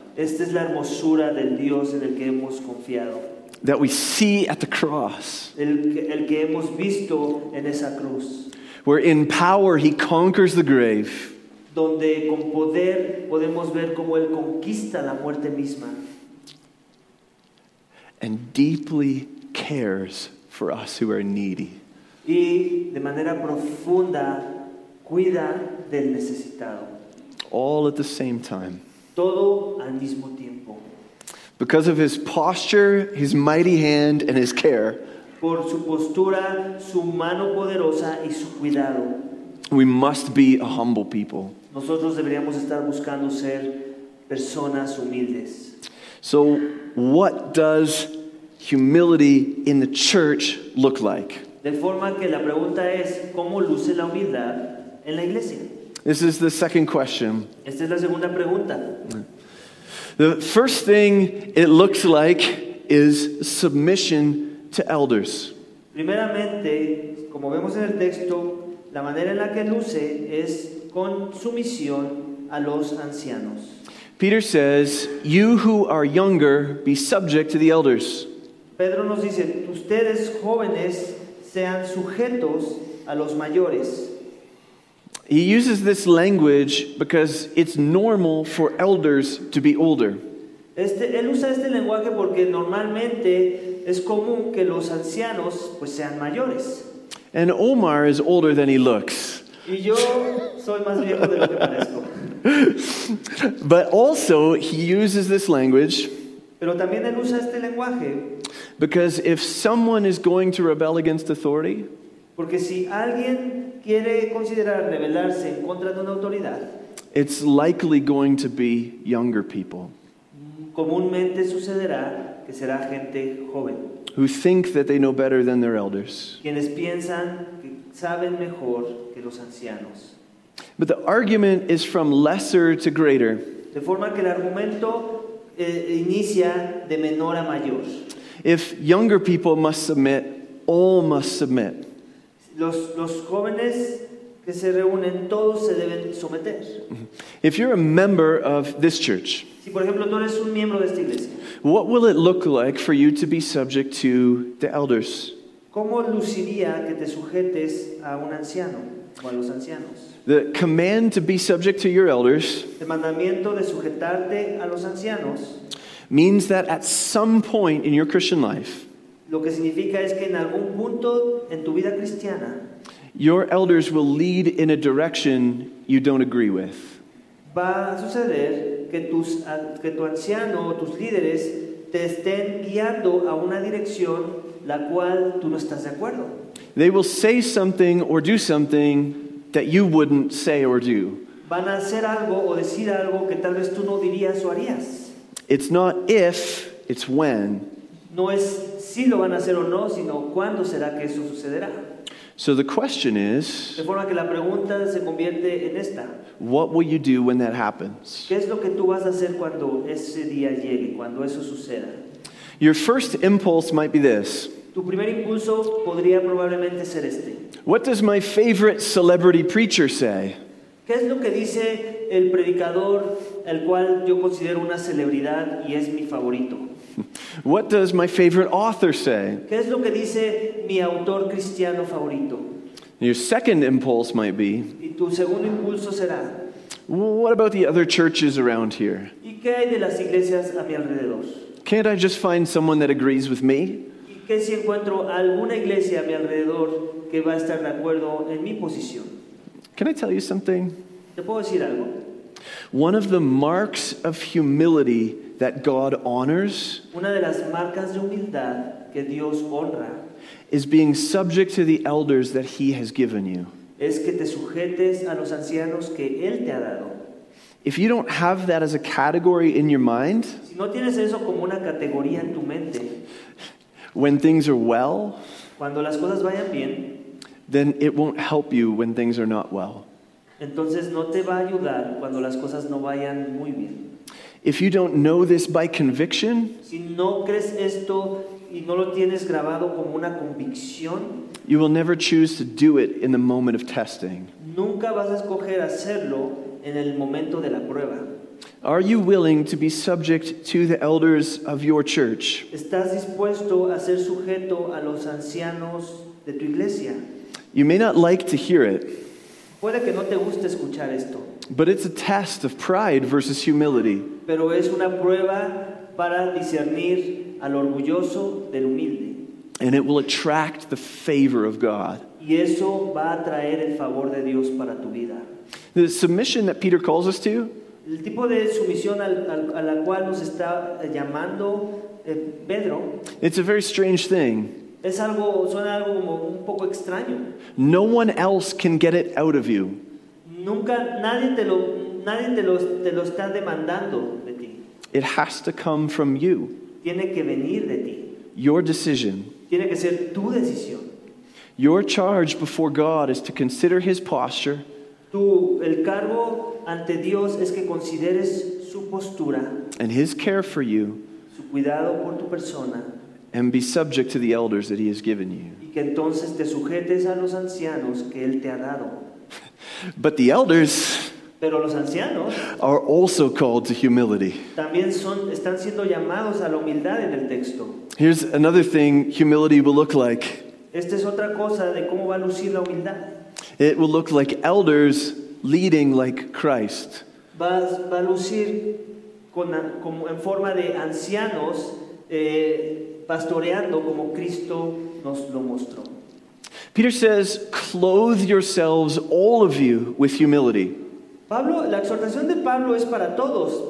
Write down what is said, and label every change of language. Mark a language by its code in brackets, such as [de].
[es] Esta es la hermosura del Dios en el que hemos confiado. [en] That we see at the cross. [es] El que hemos visto en esa cruz. [en] where in power he conquers the grave. [es] Donde con poder podemos ver cómo él conquista la muerte misma. [en] And deeply cares for us who are needy. [es] Y de manera profunda cuida del necesitado. [en] All at the same time. [es] Todo al mismo tiempo. [en] Because of his posture, his mighty hand, and his care. [es] Por su postura, su mano poderosa y su cuidado. [en] We must be a humble people. [es] Nosotros deberíamos estar buscando ser personas humildes. [en] So, what does humility in the church look like? [es] De forma que la pregunta es, ¿cómo luce la humildad en la iglesia? [en] This is the second question. [es] Esta es la segunda pregunta. [en] The first thing it looks like is submission to elders. [es] Primeramente, como vemos en el texto, la manera en la que luce es con sumisión a los ancianos. [en] Peter says, "You who are younger, be subject to the elders." [es] Pedro nos dice, "Ustedes jóvenes, sean sujetos a los mayores." [en] He uses this language because it's normal for elders to be older. [es] Él usa este lenguaje porque normalmente es común que los ancianos pues sean mayores. [en] And Omar is older than he looks. [es] Y yo soy más viejo de lo que parezco. [en] But also he uses this language. [es] Pero también él usa este lenguaje. [en] Because if someone is going to rebel against authority, [es] porque si alguien quiere considerar rebelarse en contra de una autoridad, [en] it's likely going to be younger people. [es] Comúnmente sucederá que será gente joven. [en] Who think that they know better than their elders. [es] Quienes piensan que saben mejor que los ancianos. [en] But the argument is from lesser to greater. [es] De forma que el argumento inicia de menor a mayor. [en] If younger people must submit, all must submit. [es] Los jóvenes que se reúnen, todos se deben someter. [en] If you're a member of this church, [es] si por ejemplo tú eres un miembro de esta iglesia, [en] what will it look like for you to be subject to the elders? [es] ¿Cómo luciría que te sujetes a un anciano o a los ancianos? [en] The command to be subject to your elders, [es] el mandamiento de sujetarte a los ancianos, [en] means that at some point in your Christian life, [es] lo que significa es que en algún punto en tu vida cristiana, [en] your elders will lead in a direction you don't agree with. [es] Va a suceder que tu anciano o tus líderes te estén guiando a una dirección la cual tú no estás de acuerdo. [en] They will say something or do something that you wouldn't say or do. [es] Van a hacer algo o decir algo que tal vez tú no dirías o harías. [en] It's not if, it's when. [es] No es si lo van a hacer o no, sino cuándo será que eso sucederá. [en] So the question is, [es] de forma que la pregunta se convierte en esta. [en] What will you do when that happens? [es] ¿Qué es lo que tú vas a hacer cuando ese día llegue, cuando eso suceda? [en] Your first impulse might be this. [es] Tu primer impulso podría probablemente ser este. [en] What does my favorite celebrity preacher say? [es] ¿Qué es lo que dice el predicador, el cual yo considero una celebridad y es mi favorito? [en] What does my favorite author say? [es] ¿Qué es lo que dice mi autor cristiano favorito? [en] Your second impulse might be, [es] y tu segundo impulso será, [en] what about the other churches around here? [es] ¿Y qué hay de las iglesias a mi alrededor? [en] Can't I just find someone that agrees with me? [es] ¿Y qué si encuentro alguna iglesia a mi alrededor que va a estar de acuerdo en mi posición? [en] Can I tell you something? [es] ¿Te puedo decir algo? [en] One of the marks of humility that God honors, [es] una de las marcas de humildad que Dios honra, [en] is being subject to the elders that he has given you. [es] Es que te sujetes a los ancianos que él te ha dado. [en] If you don't have that as a category in your mind, [es] si no tienes eso como una categoría en tu mente, [en] when things are well, [es] cuando las cosas vayan bien, [en] then it won't help you when things are not well. [es] Entonces no te va a ayudar cuando las cosas no vayan muy bien. [en] If you don't know this by conviction, [es] si no crees esto y no lo tienes grabado como una convicción, [en] you will never choose to do it in the moment of testing. [es] Nunca vas a escoger hacerlo en el momento de la prueba. [en] Are you willing to be subject to the elders of your church? [es] ¿Estás dispuesto a ser sujeto a los ancianos de tu iglesia? [en] You may not like to hear it. [es] Puede que no te guste escuchar esto. [en] But it's a test of pride versus humility. [es] Pero es una prueba para discernir al orgulloso del humilde. [en] And it will attract the favor of God. [es] Y eso va a traer el favor de Dios para tu vida. [en] The submission that Peter calls us to. [es] El tipo de sumisión a la cual nos está llamando Pedro. [en] It's a very strange thing. [es] Es algo, suena algo como un poco extraño. [en] No one else can get it out of you. [es] Nunca, nadie te lo está demandando de ti. [en] It has to come from you. [es] Tiene que venir de ti. [en] Your decision. [es] Tiene que ser tu decisión. [en] Your charge before God is to consider his posture. [es] Tu, el cargo ante Dios es que consideres su postura. [en] And his care for you. [es] Su cuidado por tu persona. [en] And be subject to the elders that he has given you. [es] Y que entonces te sujetes a los ancianos que él te ha dado. [en] But the elders. [es] Pero los ancianos. [en] Are also called to humility. [es] También son, están siendo llamados a la humildad en el texto. [en] Here's another thing humility will look like. [es] Esta es otra cosa de cómo va a lucir la humildad. [en] It will look like elders leading like Christ. [es] Va a lucir con, como en forma de ancianos pastoreando como Cristo nos lo mostró. [en] Peter says, clothe yourselves, all of you, with humility. [es] Pablo, la exhortación de Pablo es para todos.